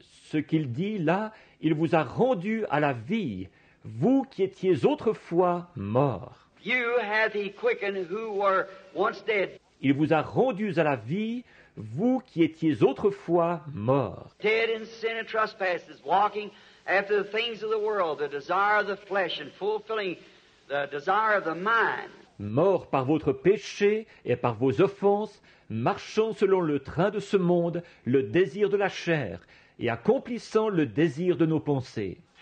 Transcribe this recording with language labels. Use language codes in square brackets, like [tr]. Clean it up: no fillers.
[fr] Ce qu'il dit là, il vous a rendu à la vie, vous qui étiez autrefois morts. [en] You have he quickened who were once dead. [fr] Il vous a rendus à la vie, vous qui étiez autrefois morts. [en] Dead in sin and trespasses, walking after the things of the world, the desire of the flesh and fulfilling the desire of the mind. [fr] Morts par votre péché et par vos offenses, marchant selon le train de ce monde, le désir de la chair, et accomplissant le désir de nos pensées.